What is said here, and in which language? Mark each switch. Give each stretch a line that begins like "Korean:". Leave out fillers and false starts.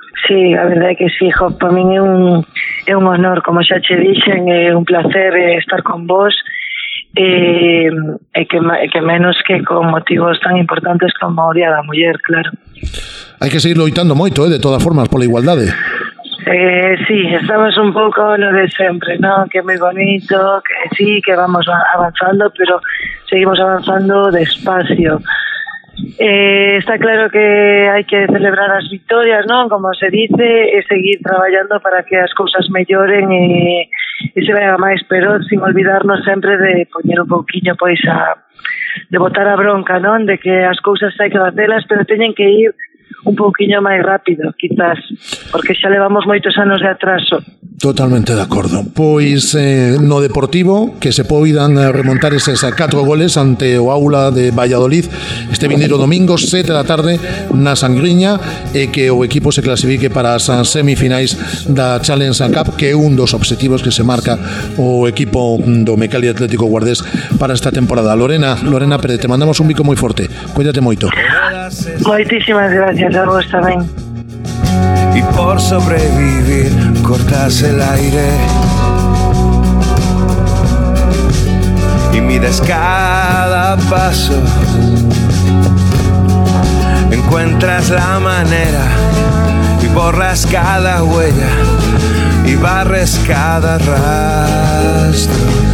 Galician: Sí, a verdade é que sí, jo, para min é un honor, como xa che dixen, é un placer estar con vos. Que menos que con motivos tan importantes como o Día da Muller, claro. Hai que seguir loitando moito, de todas formas, pola igualdade. Sí, estamos un pouco no de sempre, ¿no? Que é moi bonito, que sí, que vamos avanzando, pero seguimos avanzando despacio. Está claro que hai que celebrar as victorias, ¿no?
Spanish: Como se dice,
Galician: e seguir traballando para que as cousas melloren e se vea máis, pero sin olvidarnos sempre de poñer un pouquiño pois de botar a bronca, non, de que as cousas hai que facelas, pero teñen que ir un pouquiño máis rápido, quizás, porque xa levamos moitos anos de atraso. Totalmente de acordo. Pois no Deportivo, que se poidan remontar eses 4 goles ante o Aula de Valladolid este vindeiro domingo, 7 da tarde na Sangriña, e que o equipo se clasifique para as semifinais da Challenge Cup, que é un dos objetivos que se marca o equipo do Mecali Atlético Guardés para esta temporada. Lorena Pérez, te mandamos un bico moi forte. Cuídate moito. Moitísimas gracias a vos tamén.
Spanish: Y por sobrevivir cortas el aire y mides cada paso, encuentras la manera y borras cada huella y barres cada rastro.